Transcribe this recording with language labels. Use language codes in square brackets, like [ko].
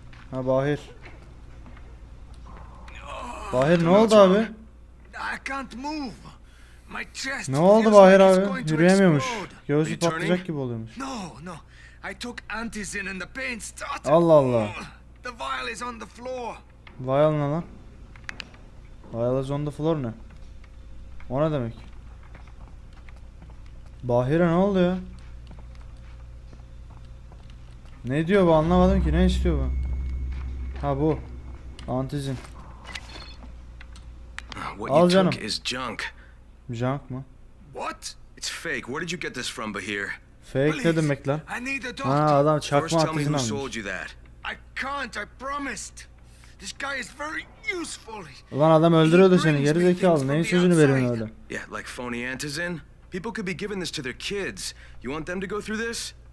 [tr] Ha, Bahir. Bahir, ne oldu abi? [en] I can't move. My chest. [tr] Ne oldu Bahir abi? Yürüyemiyormuş. Göğsü patlayacak gibi oluyormuş. [en] No. I took antizin and the pain started. [tr] Allah Allah. [en] The vial is on the floor. [tr] Vial ne lan? [en] Vial is on the floor [tr] ne? O ne demek? Bahir'e ne oldu ya? Ne diyor bu, anlamadım ki, ne istiyor bu? Ha, bu. Antizin. Al canım. [en] What is junk? [tr] Junk mı? [en] What? It's fake. Where did you get this from, Bahir? [tr] Fake ne demek lan? Ha, adam çakma atıcını almış. [en] I can't, I promised. This guy is very useful. [tr] Ulan adam öldürüyordu seni. Geri zekalı. Neyin sözünü veriyorsun öyle? [en] Yeah, like phony antizin. People could be giving this to their kids. You want them to go through this?